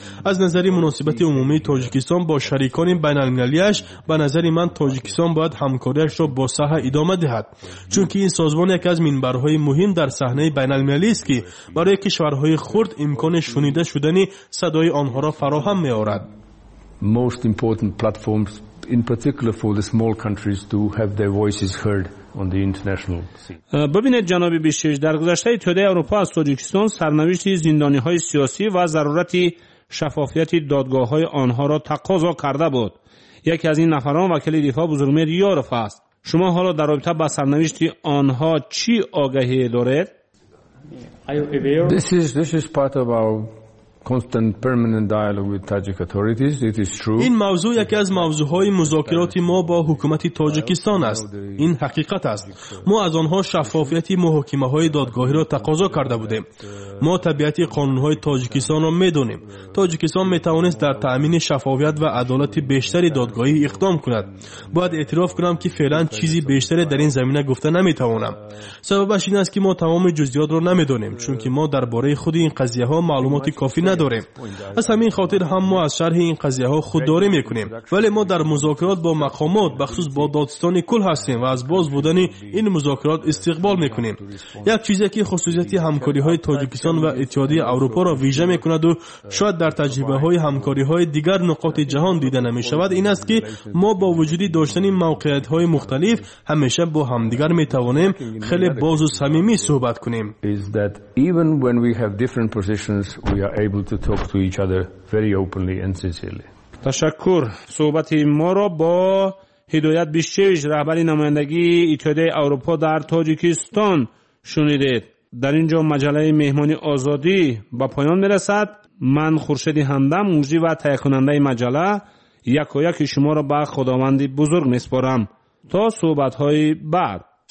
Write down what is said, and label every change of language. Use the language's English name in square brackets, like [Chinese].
[Persian] از نظر مناسبت عمومی تاجیکستان با شریکان بین‌المللی‌اش، به نظر من تاجیکستان باید همکاری‌اش را با صحه ادامه دهد، چون که این سازمان یکی از منبرهای مهم در صحنه بین‌المللی است که برای کشورهای خرد امکان شنیده شدن صدای آنها را فراهم می‌آورد. [English] Most important platforms in particular for the small countries to have their voices heard on the international scene. [Persian] ببینید جناب بیشیش، در گذشته اتحادیه اروپا از تاجیکستان سرنوشت زندانی های سیاسی و ضرورت شفافیت دادگاه های آنها را تقاضا کرده بود. یکی از این نفران وکیل دفاع بزرگمهر یارف است. شما حالا در رابطه با سرنوشت آنها چی آگاهی دارید؟ [English] This is part of our constant permanent dialogue with Tajik authorities. It is true. [Persian] این موضوع یکی از موضوعهای مذاکرات ما با حکومت تاجیکستان است. این حقیقت است. ما از آنها شفافیت محاکمه های دادگاهی را تقاضا کرده بودیم. ما طبیعت قانون های تاجیکستان را میدونیم. تاجیکستان میتوانست در تامین شفافیت و عدالت بیشتری دادگاهی اقدام کند. باید اعتراف کنم که فعلا چیزی بیشتر در این زمینه گفته نمیتوانم. سببش این است که ما تمام جزئیات را نمیدونیم، چون که ما درباره خود این قضیه ها معلومات کافی نداریم. از همین خاطر هم ما از شرح این قضیه ها خودداری میکنیم، ولی ما در مذاکرات با مقامات بخصوص با دادستان کل هستیم و از باز بودن این مذاکرات استقبال میکنیم. یک چیزی که خصوصیت همکاری های تاجیکستان و اتحادیه اروپا را ویژه میکند و شاید در تجربه های همکاری های دیگر نقاط جهان دیده نمیشود این است که ما با وجود داشتن موقعیت های مختلف همیشه با همدیگر میتوانیم خیلی باز و صمیمی صحبت کنیم. [English] Able to talk to each other very openly and sincerely. [Persian] تشکر. صحبت ما را با هدایت بیشیش رهبری نمایندگی اتحادیه اروپا در تاجیکستان شنیدید. در اینجا مجله مهمانی آزادی با پایان میرسد. من خورشید همدم موجی و تهیه کننده مجله یک و یک شما را به خداوند بزرگ میسپارم تا صحبت های بعد.